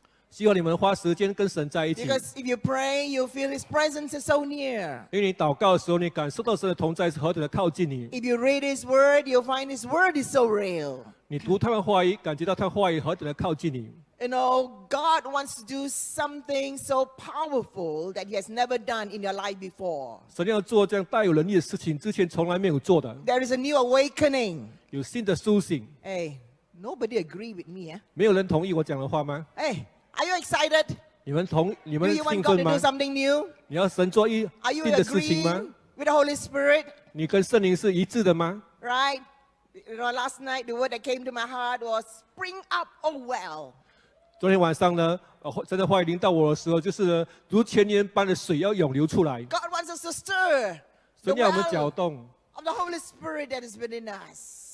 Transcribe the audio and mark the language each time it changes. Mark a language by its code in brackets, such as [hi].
[zh] 希望你们花时间跟神在一起。 [en] Because if you pray, you feel His presence is so near. [zh] 因为你祷告的时候, 你感受到神的同在是何等的靠近你。 [en] If you read His word, you'll find His word is so real. [zh] 你读他的话语, 感觉到他的话语何等的靠近你。 [en] You know, God wants to do something so powerful that He has never done in your life before. [zh] 神要做这样带有能力的事情,之前从来没有做的。 [en] There is a new awakening. [zh] 有新的苏醒。 [en] Hey, nobody agree with me, eh? [zh] 没有人同意我讲的话吗? [en] Hey, are you excited? [zh] 你们兴奋吗? [en] Do you want God to do something new? [zh] 你要神做一, [en] are you agreeing with the Holy Spirit? [zh] 你跟圣灵是一致的吗? [en] Right? You know, last night, the word that came to my heart was, spring up, oh well. [zh] 昨天晚上呢，神的话已经到我的时候，就是如泉源般的水要涌流出来。 [en] God wants us to stir. [zh] 神要我们搅动。 [en] Of the Holy Spirit that is within us.